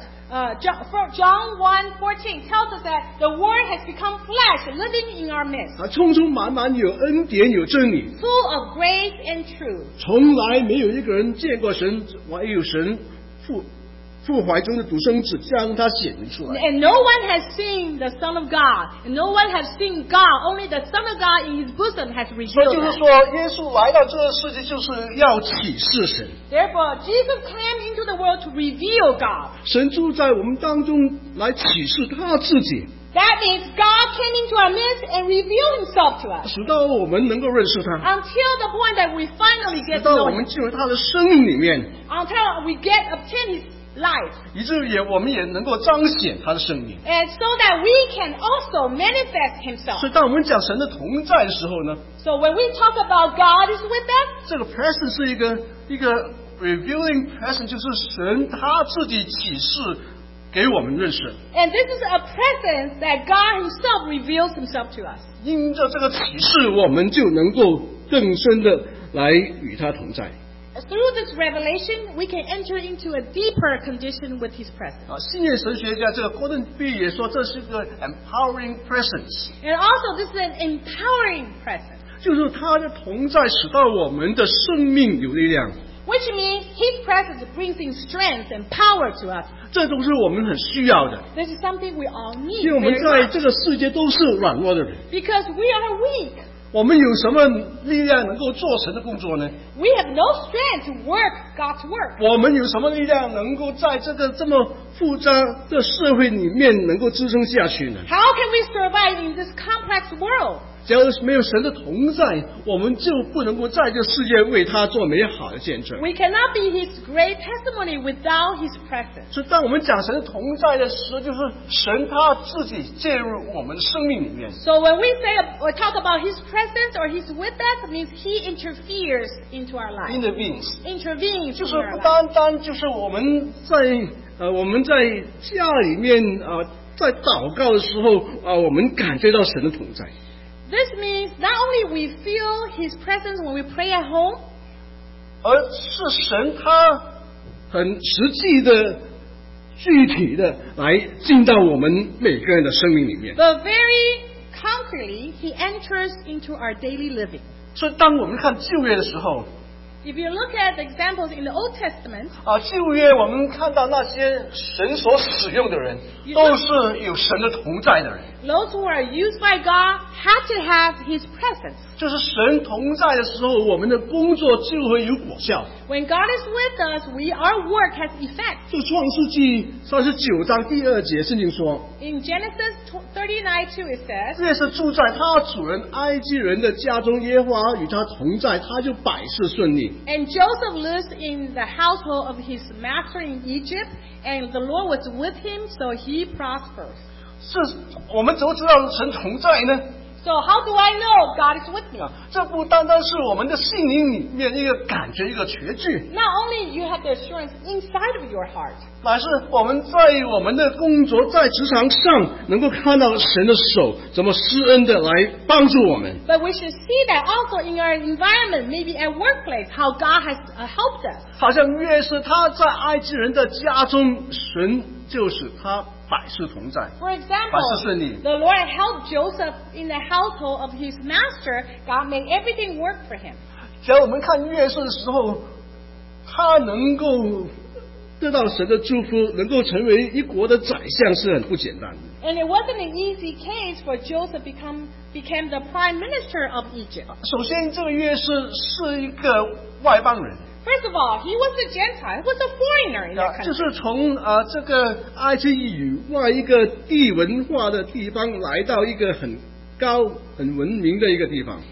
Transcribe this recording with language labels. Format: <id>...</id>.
<en>John 1:14 tells us that the Word has become flesh, living in our midst.</en> <zh>它充充满满有恩典有真理。</zh> <en>Full of grace and truth.</en> <zh>从来没有一个人见过神，唯有神父怀中的独生子将他显明出来。</zh> <en>And no one has seen the Son of God. And no one has seen God. Only the Son of God in His bosom has revealed.</en> <zh>所以就是说，耶稣来到这个世界就是要启示神。</zh> <en>Therefore, Jesus came into the world to reveal God.</en> <zh>神住在我们当中来启示他自己。</zh> <en>That means God came into our midst and revealed Himself to us.</en> <zh>直到我们能够认识他。</zh> <en>Until the point that we finally get to know Him.</en> <zh>直到我们进入他的生命里面。</zh> <en>Until we get obtain His life,</en> <zh>以至于我们也能够彰显他的圣名。</zh> <en>And so that we can also manifest himself.</en> <zh>所以当我们讲神的同在的时候呢，</zh> <en>So when we talk about God is with us,</en> <zh>这个 presence 是一个</zh> <en>revealing presence,</en> <zh>就是神他自己启示给我们认识。</zh> <en>And this is a presence that God himself reveals himself to us.</en> <zh>因着这个启示我们就能够更深的来与他同在。</zh> <en>Through this revelation, we can enter into a deeper condition with His presence.</en> <zh>新约神学家这个 Gordon B 也说这是个</zh> <en>empowering presence. And also, this is an empowering presence.</en> <zh>就是他的同在使到我们的生命有力量。</zh> <en>Which means His presence brings in strength and power to us.</en> <zh>这都是我们很需要的。</zh> <en>This is something we all need.</en> <zh>因为我们在这个世界都是软弱的人。</zh> <en>Because we are weak.</en> <zh>我们有什么力量能够做神的工作呢？</zh> <en>We have no strength to work God's work.</en> <zh>我们有什么力量能够在这么复杂的社会里面能够支撑下去呢？</zh> <en>How can we survive in this complex world?</en> <zh>只要没有神的同在，我们就不能够在这世界为他做美好的见证。</zh> <en>We cannot be His great testimony without His presence.</en> <zh>所以当我们讲神的同在的时候，就是神他自己介入我们的生命里面。</zh> <en>So when we say or talk about His presence or He's with us, means He interferes into our life. Intervenes.</en> <zh>就是不单单就是我们在家里面在祷告的时候我们感觉到神的同在。</zh> <en>This means not only we feel His presence when we pray at home,</en> <zh>而是神他很实际的、具体的来进到我们每个人的生命里面。</zh> <en>But very concretely, He enters into our daily living.</en> <zh>所以当我们看旧约的时候，</zh> <en>If you look at the examples in the Old Testament,</en> <zh>旧约我们看到那些神所使用的人，都是有神的同在的人。</zh> <en>Those who are used by God have to have His presence.</en> <zh>就是神同在的时候，我们的工作就会有果效。</zh> <en>When God is with us, we, our work has effect.</en> <zh>就创世纪三十九章第二节，圣经说。</zh> <en>In Genesis 39:2, it says.</en> <zh>越是住在他主人埃及人的家中，耶和华与他同在，他就百事顺利。</zh> <en>And Joseph lives in the household of his master in Egypt, and the Lord was with him, so he prospers.</en> <zh>是我们怎么知道神同在呢？</zh> <en>So how do I know God is with me?</en> <zh>这不单单是我们的心灵里面一个感觉一个确据。</zh> <en>Not only you have the assurance inside of your heart.</en> <zh>乃是我们在我们的工作在职场上能够看到神的手怎么施恩的来帮助我们。</zh> <en>But we should see that also in our environment, maybe at workplace, how God has helped us.</en> <zh>好像越是他在埃及人的家中，神就是他。</zh> <en>For example, the Lord helped Joseph in the household of his master. God made everything work for him.</en> <zh>只要我们看约瑟的时候，他能够得到神的祝福，能够成为一国的宰相是很不简单的。</zh> <en>And it wasn't an easy case for Joseph became the prime minister of Egypt.</en> <zh>首先，这个约瑟是一个外邦人。</zh> <en>First of all, he was a Gentile. He was a foreigner in that country.</en> <zh>就是从这个埃及语外一个地文化的地方来到一个很高很文明的一个地方。</zh>